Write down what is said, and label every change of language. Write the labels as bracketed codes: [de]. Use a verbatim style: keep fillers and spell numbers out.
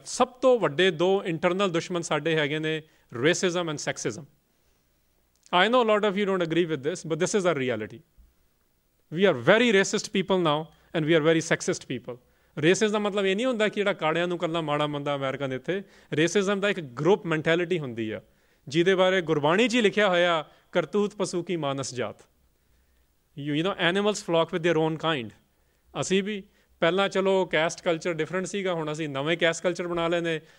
[pa] ਸਭ ਤੋਂ ਵੱਡੇ ਦੋ ਇੰਟਰਨਲ ਦੁਸ਼ਮਣ ਸਾਡੇ ਹੈਗੇ ਨੇ, racism and ਸੈਕਸਿਜ਼ਮ। [en] I know a lot of you don't agree with this, but this is our reality. We are very racist people now, and we are very sexist people. [pa] Racism ਮਤਲਬ ਇਹ ਨਹੀਂ ਹੁੰਦਾ ਕਿ ਜਿਹੜਾ ਕਾੜਿਆਂ ਨੂੰ ਕੱਲਾ ਮਾੜਾ ਮੰਦਾ ਅਮਰੀਕਾ ਦੇ ਇੱਥੇ, ਰੇਸਿਜ਼ਮ ਦਾ ਇੱਕ ਗਰੁੱਪ ਮੈਂਟੈਲਿਟੀ ਹੁੰਦੀ ਆ, ਜਿਹਦੇ ਬਾਰੇ ਗੁਰਬਾਣੀ 'ਚ ਹੀ ਲਿਖਿਆ ਹੋਇਆ, ਕਰਤੂਤ ਪਸ਼ੂ ਕੀ ਮਾਨਸ ਜਾਤ। [en] You you know animals flock with their own kind. [pa] ਅਸੀਂ ਵੀ ਪਹਿਲਾਂ ਚਲੋ ਕੈਸਟ ਕਲਚਰ ਡਿਫਰੈਂਟ ਸੀਗਾ, ਹੁਣ ਅਸੀਂ ਨਵੇਂ ਕੈਸਟ ਕਲਚਰ ਬਣਾ ਲਏ ਨੇ।